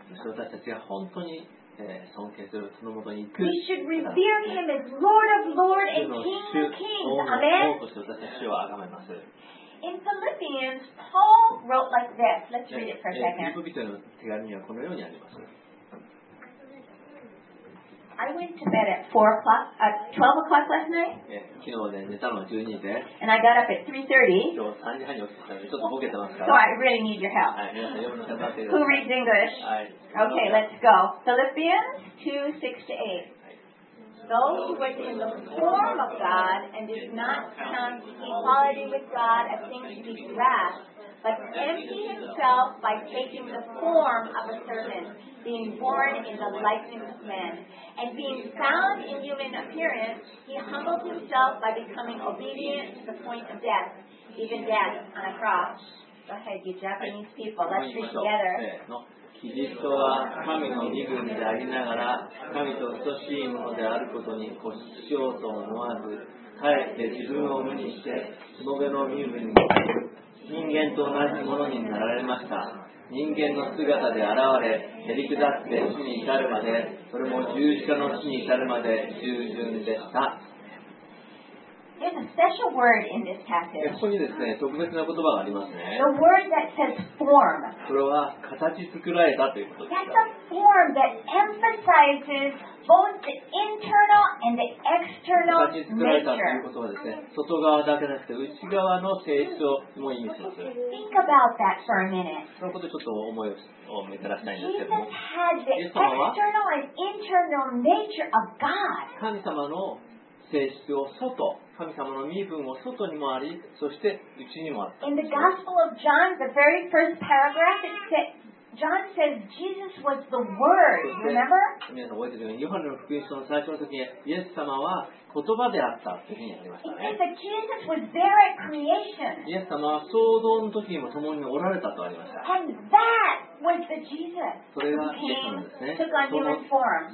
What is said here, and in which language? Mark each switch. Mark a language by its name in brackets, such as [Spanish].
[Japanese] そして私たちが本当に、尊敬するその元に行く。 [English] We should revere him as Lord of Lords and King of Kings. Amen. [Japanese] 主の王として私たちを崇めます。 [English] In Philippians, Paul wrote like this. Let's read it for a second. フィリピ人 [Japanese] の手紙はこのようにあります。 [English] I went to bed at 12 o'clock last night. [Japanese] 昨日ね、寝たのは12時で。 [English] And I got up at 3:30. [Japanese] 今日3時半に起きたので、ちょっとボケてますから。 [English] So I really need your help. [Japanese] はい、皆さん読むの頑張ってください [English] 。 Who reads English? [Japanese] はい。 [English] Okay, let's go. Philippians 2:6-8. Those who were in the form of God and did not count equality with God a thing to be grasped, but emptied himself by taking the form of a servant. Being born in the likeness of men, and being found in human appearance, he humbled himself by becoming obedient to the point of death, even death on a cross. Go ahead, you Japanese people, let's read together. [Japanese] キリストは神の身分でありながら、神と等しいものであることに固執しようと思わず、かえって自分を無にして、しもべの身分に人間と同じものになられました。人間の姿で現れ、へりくだって死に至るまで、それも十字架の死に至るまで従順でした。 [English] There's a special word in this passage. [Japanese] ここにですね、特別な言葉がありますね。 [English] The word that says form. [Japanese] それは形作られたということです。 [English] That's a form that emphasizes both the internal and the external nature. [Japanese] 形作られたということはですね、外側だけじゃなくて内側の性質をも意味します。 [English] Think about that for a minute. [Japanese] そのことちょっと思いを巡らしたいんですけども。 [English] Jesus had the external and internal nature of God. [Japanese] 神様の性質を外、神様の身分を外にもあり、そして内にもあった。 [English] In the Gospel of John, the very first paragraph, it said, John says Jesus was the Word. Remember? [Japanese] 皆さん覚えてるように、ヨハネの福音書の最初の時に、イエス様は言葉であったというふうにありましたね。 [English] It says that Jesus was there at creation. [Japanese] イエス様は創造の時にも共におられたとありました。 [English] And that was the Jesus who came, took on human form.